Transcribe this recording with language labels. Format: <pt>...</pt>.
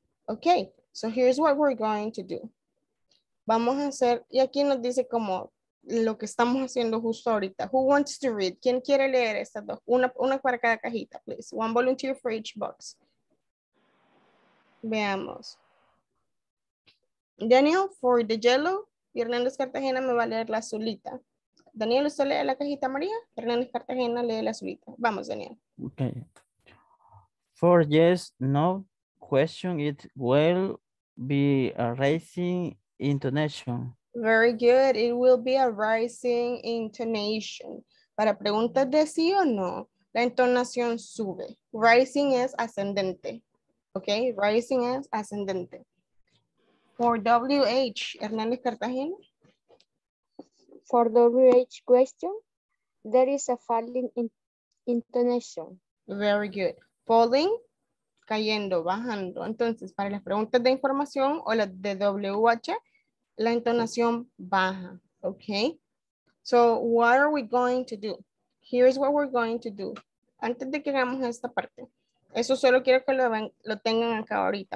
<en>Okay, so here's what we're going to do.</en> <es>Vamos a hacer, y aquí nos dice como lo que estamos haciendo justo ahorita.</es> <en>Who wants to read?</en> <es>¿Quién quiere leer estas dos? Una para cada cajita, please.</es> <en>One volunteer for each box. Veamos.</en> <es>Daniel,</es> <en>for the yellow.</en> <es>Y Hernández Cartagena me va a leer la azulita. Daniel, ¿usted lee la cajita María? Hernández Cartagena lee la azulita. Vamos, Daniel.</es> <en>Okay. For yes, no question, it will be a rising intonation. Very good. It will be a rising intonation.</en> <es>Para preguntas de sí o no, la entonación sube. Rising es ascendente. Okay, rising es ascendente.</es> <en>For WH, Hernández Cartagena. For WH question, there is a falling intonation. Very good. Falling,</en> <es>cayendo, bajando. Entonces, para las preguntas de información o las de WH, la entonación baja.</es> <en>Okay. So, what are we going to do? Here's what we're going to do.</en> <es>Antes de que hagamos esta parte, Eso solo quiero que lo tengan acá ahorita.</es>